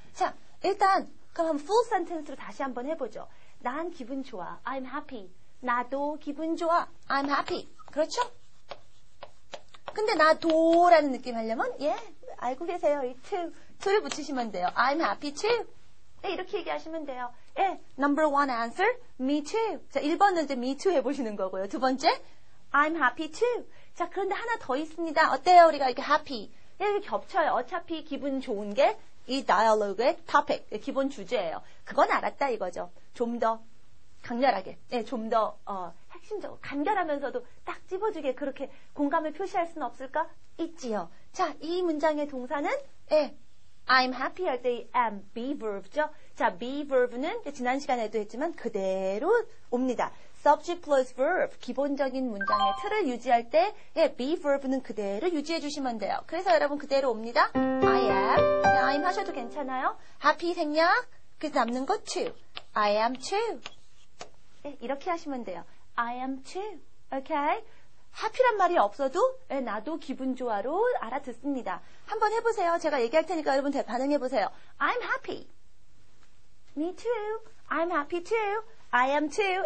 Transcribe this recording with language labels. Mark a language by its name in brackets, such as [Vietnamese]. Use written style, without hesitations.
[Korean] 자, 일단 그럼 full sentence로 다시 한번 해보죠. 난 기분 좋아. [English] I'm happy. [Korean] 나도 기분 좋아. I'm happy. 그렇죠? 근데 나도라는 느낌 하려면 예, 알고 계세요. 이 to를 붙이시면 돼요. [English] I'm happy too. [Korean] 네, 이렇게 얘기하시면 돼요. [English] 예, number one answer, me too. [Korean] 자, 1번은 이제 me too 해보시는 거고요. [English] 두 번째, I'm happy too. [Korean] 자, 그런데 하나 더 있습니다. 어때요? 우리가 이렇게 happy. 예, 이렇게 겹쳐요. 어차피 기분 좋은 게 이 dialogue의 topic, 기본 주제예요. 그건 알았다 이거죠. 좀 더 강렬하게, 예, 좀 더 핵심적으로 간결하면서도 딱 집어주게 그렇게 공감을 표시할 수는 없을까? 있지요. 자, 이 문장의 동사는 예, I'm happy 할 때 이 am, be verb죠. 자, be verb는 지난 시간에도 했지만 그대로 옵니다. [English] Subject plus verb, [Korean] 기본적인 문장의 틀을 유지할 때 예, be verb는 그대로 유지해 주시면 돼요. 그래서 여러분 그대로 옵니다. [English] I am, I'm [Korean] 하셔도 괜찮아요. Happy 생략, 그 남는 거 too. [English] I am too. [Korean] 예, 이렇게 하시면 돼요. [English] I am too. Okay? [Korean] Happy란 말이 없어도 예, 나도 기분 좋아로 알아듣습니다. 한번 해보세요. 제가 얘기할 테니까 여러분 반응해보세요. [English] I'm happy. Me too. I'm happy too. I am too.